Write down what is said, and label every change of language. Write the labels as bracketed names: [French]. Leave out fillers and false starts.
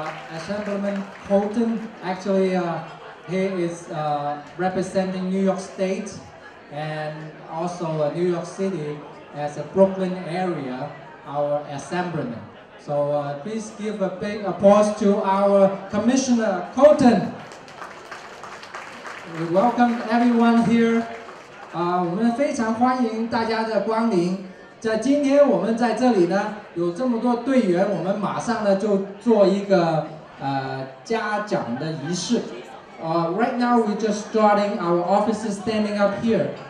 [English] Assemblyman Colton, actually he is representing New York State and also New York City as a Brooklyn area, our assemblyman. So please give a big applause to our Commissioner Colton. We welcome everyone here. [Chinese] 我们非常欢迎大家的光临。在今天我们在这里呢，有这么多队员，我们马上呢就做一个嘉奖的仪式。 [English] Right now we're just starting our officers standing up here.